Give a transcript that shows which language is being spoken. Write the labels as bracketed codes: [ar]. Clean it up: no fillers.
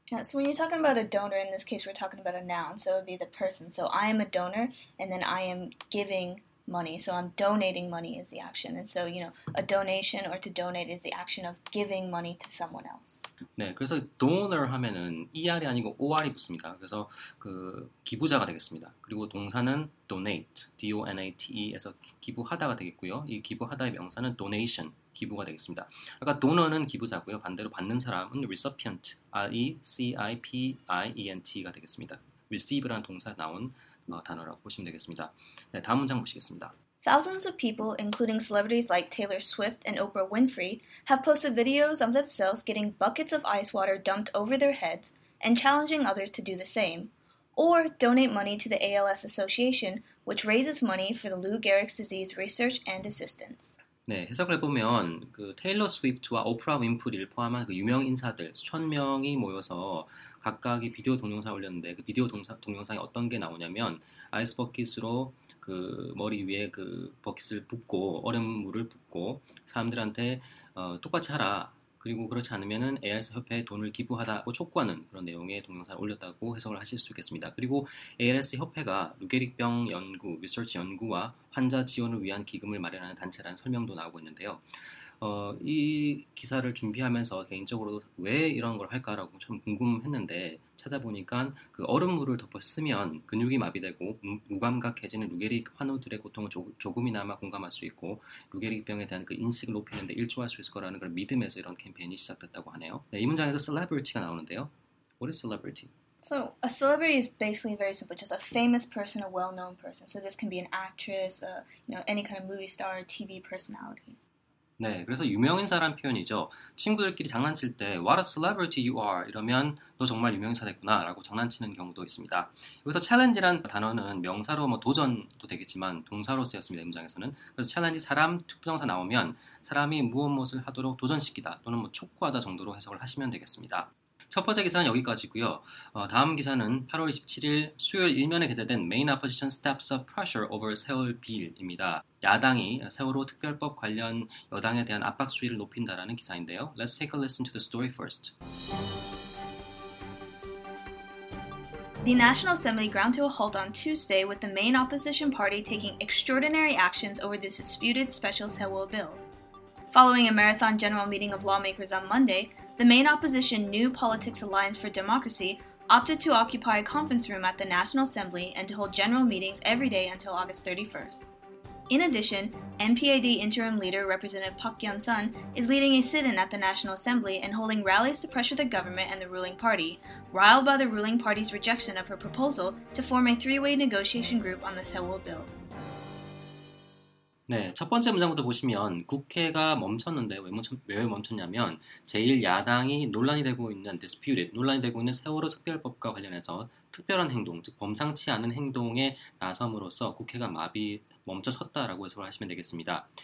[en] Yeah, so when you're talking about a donor, in this case we're talking about a noun, so it would be the person. So I am a donor, and then I am giving money. So I'm donating money is the action. And so, you know, a donation or to donate is the action of giving money to someone else. [ko] 네, 그래서 donor 하면은 er이 아니고 or이 붙습니다. 그래서 그 기부자가 되겠습니다. 그리고 동사는 donate, d-o-n-a-t-e에서 기부하다가 되겠고요. 이 기부하다의 명사는 donation, 기부가 되겠습니다. 아까 donor는 기부자고요. 반대로 받는 사람은 recipient, r-e-c-i-p-i-e-n-t가 되겠습니다. receive라는 동사에 나온 단어라고 보시면 되겠습니다. 네, 다음 문장 보시겠습니다. [en] Thousands of people, including celebrities like Taylor Swift and Oprah Winfrey, have posted videos of themselves getting buckets of ice water dumped over their heads and challenging others to do the same, or donate money to the ALS Association, which raises money for the Lou Gehrig's disease research and assistance. [ko] 네, 해석을 해보면 그 테일러 스위프트와 오프라 윈프리를 포함한 그 유명 인사들 수천 명이 모여서 각각이 비디오 동영상을 올렸는데 그 비디오 동영상이 어떤 게 나오냐면 아이스 버킷으로 그 머리 위에 그 버킷을 붓고 얼음물을 붓고 사람들한테 똑같이 하라 그리고 그렇지 않으면은 ALS 협회에 돈을 기부하다고 촉구하는 그런 내용의 동영상을 올렸다고 해석을 하실 수 있겠습니다. 그리고 ALS 협회가 루게릭병 연구, 리서치 연구와 환자 지원을 위한 기금을 마련하는 단체라는 설명도 나오고 있는데요. 이 기사를 준비하면서 개인적으로 왜 이런 걸 할까라고 참 궁금했는데 찾아보니까 그 얼음물을 덮어 쓰면 근육이 마비되고 무감각해지는 루게릭 환우들의 고통을 조금이나마 공감할 수 있고 루게릭병에 대한 그 인식을 높이는 데 일조할 수 있을 거라는 걸 믿음에서 이런 캠페인이 시작됐다고 하네요. 네, 이 문장에서 celebrity가 나오는데요. [en] What is celebrity? [ko] So a celebrity is basically very simple, just a famous person, a well-known person. So this can be an actress, you know, any kind of movie star, TV personality. 네, 그래서 유명인사란 표현이죠. 친구들끼리 장난칠 때 [en] What a celebrity you are [ko] 이러면 너 정말 유명인사 됐구나 라고 장난치는 경우도 있습니다. 여기서 challenge란 단어는 명사로 뭐 도전도 되겠지만 동사로 쓰였습니다. 이 문장에서는. 그래서 challenge 사람, 부정사 나오면 사람이 무엇을 하도록 도전시키다 또는 뭐 촉구하다 정도로 해석을 하시면 되겠습니다. 첫 번째 기사는 여기까지고요. 다음 기사는 8월 27일 수요일 일면에 게재된 [en] Main Opposition Steps Up Pressure Over [ko] 세월 Bill입니다. 야당이 세월호 특별법 관련 여당에 대한 압박 수위를 높인다라는 기사인데요. [en] Let's take a listen to the story first. The National Assembly ground to a halt on Tuesday with the main opposition party taking extraordinary actions over the disputed special Sewol bill. Following a marathon general meeting of lawmakers on Monday, the main opposition New Politics Alliance for Democracy opted to occupy a conference room at the National Assembly and to hold general meetings every day until August 31st. In addition, NPAD interim leader Representative Park Kyung-sun is leading a sit-in at the National Assembly and holding rallies to pressure the government and the ruling party, riled by the ruling party's rejection of her proposal to form a three-way negotiation group on the Sewol bill. [ko] 네, 첫 번째 문장부터 보시면 국회가 멈췄는데 왜 멈췄냐면 제1야당이 논란이 되고 있는 disputed, 논란이 되고 있는 세월호 특별법과 관련해서 특별한 행동, 즉 범상치 않은 행동에 나섬으로써 국회가 마비 멈춰섰다라고 해석을 하시면 되겠습니다.